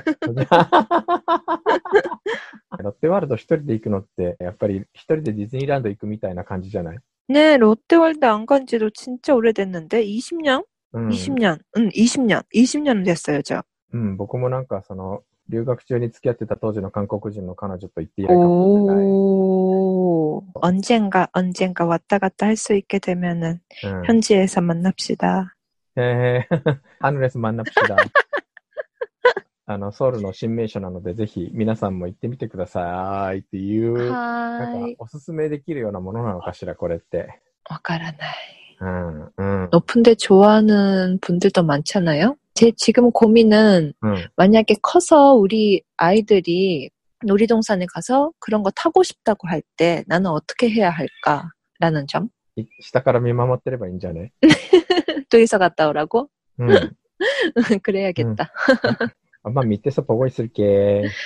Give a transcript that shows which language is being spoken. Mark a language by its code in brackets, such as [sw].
[ja] ロッテワールド一人で行くのって、やっぱり一人でディズニーランド行くみたいな感じじゃない？ねえ、 [ko] ロッテワールド안간지도진짜오래됐는데、 [ja] 20年、20年 [ko] 됐어요、 [ja] じゃあ。うん、僕もなんか、その、留学中に付き合ってた当時の韓国人の彼女と行って以来かもしれない。おー。 [ko] 언젠가 언젠가 왔다 갔다 할 수 있게 되면은 현지에서 만납시다. 하늘에서 만납시다. 서울의 신명소 [ja] なので ぜひ皆さんも 行ってみてください っていうなんかおすすめできるようなものなのかしら これってわからない [ko] 높은데 좋아하는 분들도 많잖아요. 제 지금 고민은 만약에 커서 우리 아이들이 놀이동산에 가서 그런 거 타고 싶다고 할 때 나는 어떻게 해야 할까라는 점. [ja] 下から 見守ってれば いいんじゃね? [ko] 뒤에서 갔다 오라고? 그래야겠다. 엄마 밑에서 보고 있을게.